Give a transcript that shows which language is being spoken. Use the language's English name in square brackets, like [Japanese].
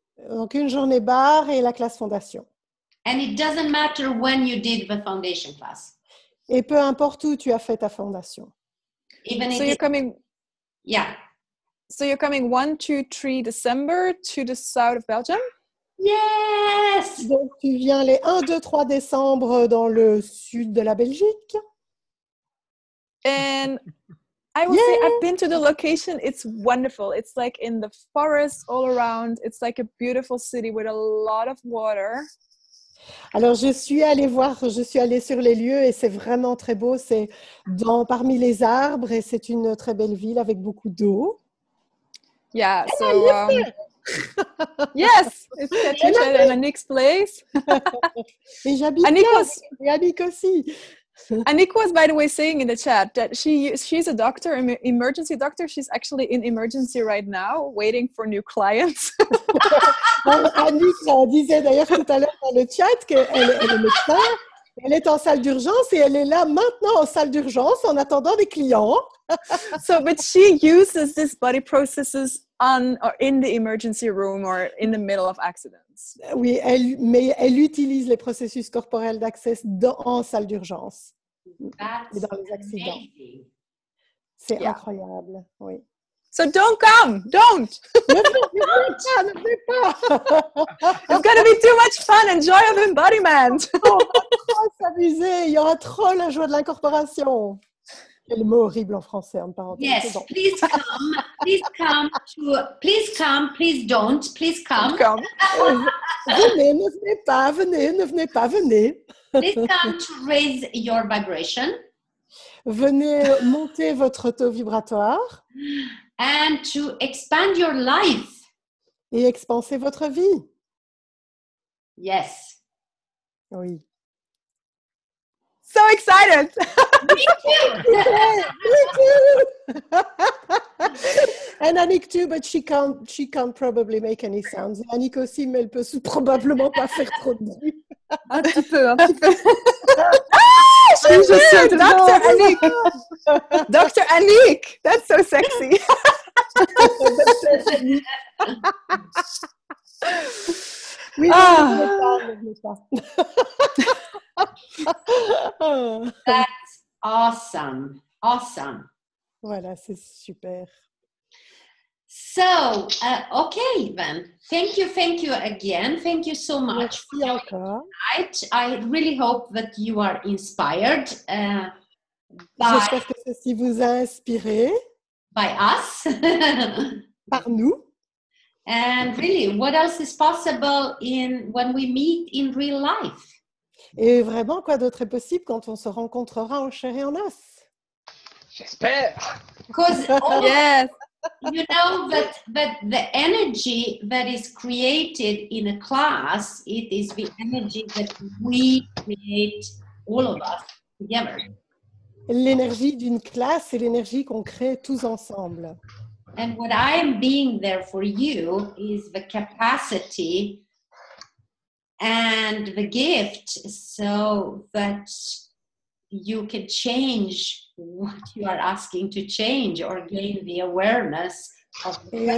[French] Donc, une journée bar et la classe fondation. [English] And it doesn't matter when you did the foundation class. [French] Et peu importe où tu as fait ta fondation. [English] Even so you're coming. Yeah. So you're coming 1, 2, 3 December to the south of Belgium? Yes! [French] Donc tu viens les 1, 2, 3 décembre dans le sud de la Belgique. [English] And I will say, I've been to the location. It's wonderful. It's like in the forest all around. It's like a beautiful city with a lot of water. [French] Alors, je suis allée voir, je suis allée sur les lieux et c'est vraiment très beau. C'est dans, parmi les arbres et c'est une très belle ville avec beaucoup d'eau. [English] Yeah, so... yes, it's such a Annick's place. [French] Et j'habite Annick là, et Annick aussi. [English] Annick was, by the way, saying in the chat that she's a doctor, an emergency doctor. She's actually in emergency right now, waiting for new clients. [French] Annick disait d'ailleurs tout à l'heure dans le chat qu'elle est médecin, elle est en salle d'urgence et elle est là maintenant en salle d'urgence en attendant des clients. [English] So, but she uses this body processes on or in the emergency room or in the middle of accidents. [French] Oui, elle, mais elle utilise les processus corporels d'accès dans, en salle d'urgence. [English] That's [French] dans les accidents. [English] Amazing. [French] C'est incroyable, oui. [English] So don't come, don't. Don't. [French] Ne fais pas. [English] It's gonna be too much fun. Enjoy the embodiment. [French] On va s'amuser. Il y aura trop la joie de l'incorporation. Quel mot horrible en français, en parenthèse. [English] Yes, bon. Please come. Please come. To, please come. Please don't. Please come. Come. [French] Venez, ne venez pas. Venez, ne venez pas. Venez. [English] Please come to raise your vibration. [French] Venez monter votre taux vibratoire. [English] And to expand your life. [French] Et expanser votre vie. [English] Yes. [French] Oui. [English] So excited! Me too. Me too. And Annick too, but she can't probably make any sounds. [French] Annick aussi, mais elle peut probablement pas faire trop de bruit. Un petit peu. [English] Ah, she's here, Dr. Annick. Dr. Annick, that's so sexy. [French] Oui, ne venez pas. [English] That's awesome. Awesome. [French] Voilà, c'est super. [English] So, okay then. Thank you again. Thank you so much. [French] Merci encore. [English] I really hope that you are inspired by [French] J'espère que ceci vous a inspiré. [English] By us. [French] Par nous. [English] And really, what else is possible in when we meet in real life? [French] Et vraiment, quoi d'autre est possible quand on se rencontrera en chair et en os? J'espère. [English] Yes. You know that the energy that is created in a class, it is the energy that we create, all of us together. [French] L'énergie d'une classe, c'est l'énergie qu'on crée tous ensemble. [English] And what I am being there for you is the capacity and the gift so that you can change what you are asking to change or gain the awareness of the